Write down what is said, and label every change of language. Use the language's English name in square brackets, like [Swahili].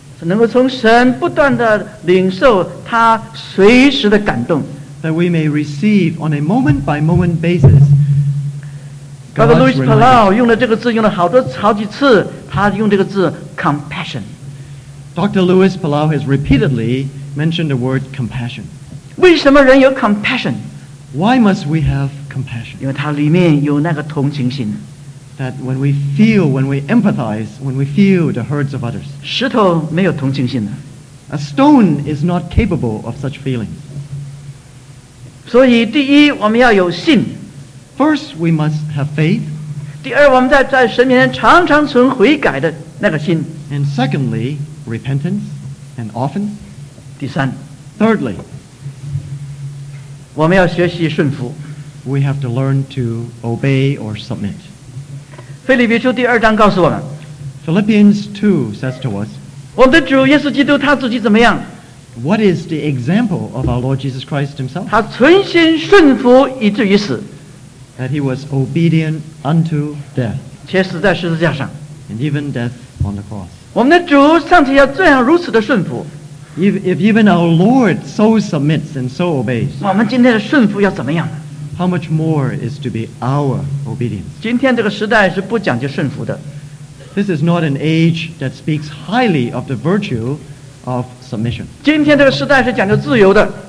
[English] That we may receive on a moment by moment basis. [Chinese] Brother Louis Palau 用了这个字用了好多好几次，他用这个字 compassion. [English] Dr. Louis Palau has repeatedly mentioned the word compassion. [Chinese] 为什么人有 compassion? [English] Why must we have compassion? [Chinese] 因为它里面有那个同情心. [English] That when we feel, when we empathize, when we feel the hurts of others. [Chinese] 石头没有同情心的. [English] A stone is not capable of such feelings. [Chinese] 所以第一，我们要有信. [English] First, we must have faith. [Chinese] 第二,我们在神面前常常存悔改的那个心。 [English] And secondly, repentance, and often. [Chinese] 第三, [English] thirdly, [Chinese] 我们要学习顺服。 [English] We have to learn to obey or submit. [Chinese] 腓立比书第二章告诉我们, [English] Philippians 2 says to us, [Chinese] 我们的主耶稣基督他自己怎么样? [English] What is the example of our Lord Jesus Christ himself? [Chinese] 他存心顺服以至于死。 [English] That he was obedient unto death. [Chinese] 且死在十字架上, [English] and even death on the cross. [Chinese] 我们的主上帝要这样如此的顺服, [English] if even our Lord so submits and so obeys, [Chinese] 我们今天的顺服要怎么样? [English] how much more is to be our obedience? [Chinese] 今天这个时代是不讲究顺服的。 [English] This is not an age that speaks highly of the virtue of submission. [Chinese] 今天这个时代是讲究自由的。